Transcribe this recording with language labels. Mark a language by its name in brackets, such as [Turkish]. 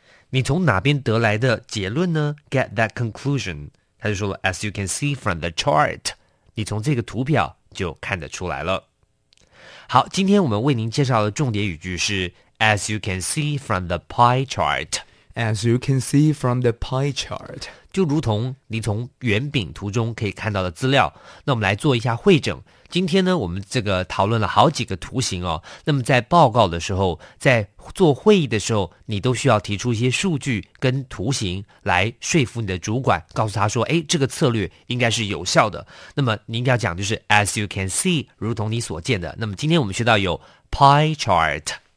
[Chinese] 你从哪边得来的结论呢? [English] Get that conclusion. [Chinese] 他就说了 [English] as you can see from the chart. [Chinese] 你从这个图表就看得出来了。好,今天我们为您介绍的重点语句是 [English] as you can see from the pie chart. As you can see from the pie chart. [Chinese] 就如同你从圆饼图中可以看到的资料。那我们来做一下汇整。今天呢我们这个讨论了好几个图形哦那么在报告的时候在做会议的时候你都需要提出一些数据跟图形来说服你的主管告诉他说诶这个策略应该是有效的那么你应该要讲就是 [English] as you can see [Chinese] 如同你所见的那么今天我们学到有 pie chart